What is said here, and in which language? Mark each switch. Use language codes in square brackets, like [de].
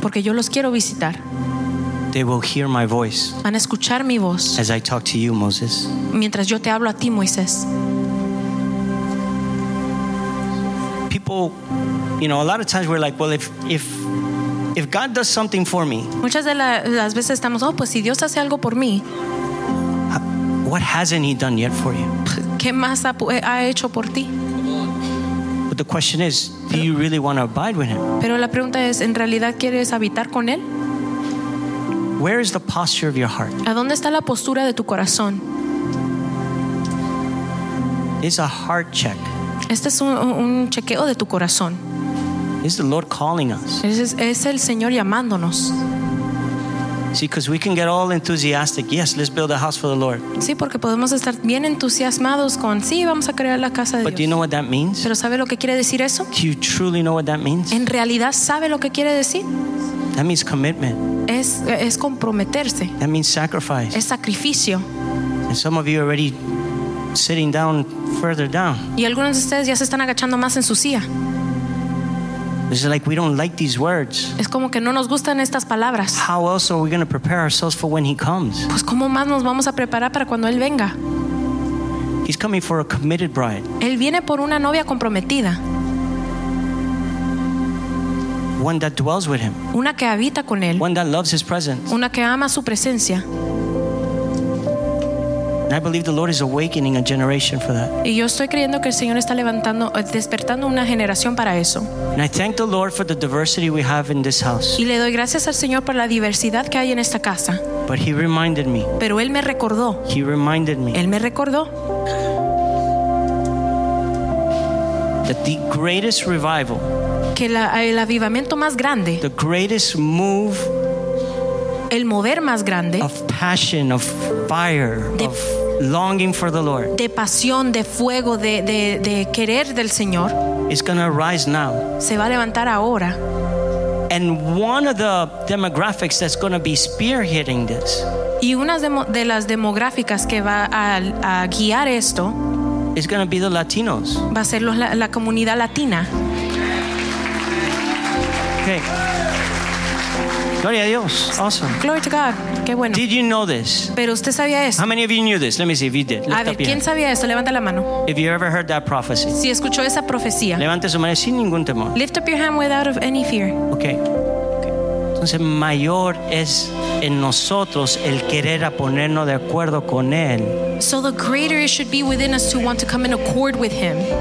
[es] Porque yo los quiero visitar. [en] They will hear my voice. [es] Van a escuchar mi voz. [en] As I talk to you, Moses. [es] Mientras yo te hablo a ti, Moisés. [en] People, you know, a lot of times we're like, well, if God does something for me, [es] muchas de las veces estamos, oh, pues si Dios hace algo por mí, [en] what hasn't he done yet for you? [es] ¿Qué más ha hecho por ti? [en] But the question is, do you really want to abide with him? [es] Pero la pregunta es, ¿en realidad quieres habitar con él? [en] Where is the posture of your heart? [es] ¿A dónde está la postura de tu corazón? [en] It's a heart check. [es] Este es un chequeo de tu corazón. [en] Is the Lord calling us? [es] Es el Señor llamándonos. [en] See, because we can get all enthusiastic. Yes, let's build a house for the Lord. [es] Sí, porque podemos estar bien entusiasmados con sí, vamos a crear la casa de Dios. [en] But do you know what that means? [es] ¿Pero sabe lo que quiere decir eso? [en] Do you truly know what that means? [es] ¿En realidad sabe lo que quiere decir? [en] That means commitment. [es] Es comprometerse. [en] That means sacrifice. [es] Es sacrificio. [en] And some of you already sitting down further down. [es] Y algunos de ustedes ya se están agachando más en su silla. [en] It's like we don't like these words. [es] Es como que no nos gustan estas palabras. [en] How else are we going to prepare ourselves for when he comes? [es] Pues cómo más nos vamos a preparar para cuando él venga. [en] He's coming for a committed bride. [es] Él viene por una novia comprometida. [en] One that dwells with him. [es] Una que habita con él. [en] One that loves his presence. [es] Una que ama su presencia. [en] And I believe the Lord is awakening a generation for that. [es] Y yo estoy creyendo que el Señor está levantando, despertando una generación para eso. [en] And I thank the Lord for the diversity we have in this house. [es] Y le doy gracias al Señor por la diversidad que hay en esta casa. [en] But he reminded me. [es] Pero él me recordó. [en] He reminded me. [es] Él me recordó. [en] that the greatest revival, [es] que la, el avivamiento más grande, [en] the greatest move, [es] el mover más grande, [en] of passion, of fire, de, of longing for the Lord, [es] de pasión, de fuego, de querer del Señor, [en] is going to rise now. [es] Se va a levantar ahora. [en] And one of the demographics that's going to be spearheading this, [es] y una de las demográficas que va a guiar esto, [en] is going to be the Latinos. [es] Va a ser los, la, la comunidad latina. [en] Okay. [es] Gloria a Dios. [en] Awesome. Glory to God. [es] Qué bueno. [en] Did you know this? [es] Pero usted sabía esto. [en] How many of you knew this? Let me see if you did. [es] A ver, ¿quién sabía esto? Levanta la mano. [en] If you ever heard that prophecy. [es] Si escuchó esa profecía. Levante su mano sin ningún temor. [en] Lift up your hand without any fear. Okay. [es] Entonces mayor es en nosotros el querer a ponernos de acuerdo con él. [en] So the greater it should be within us to want to come in accord with him.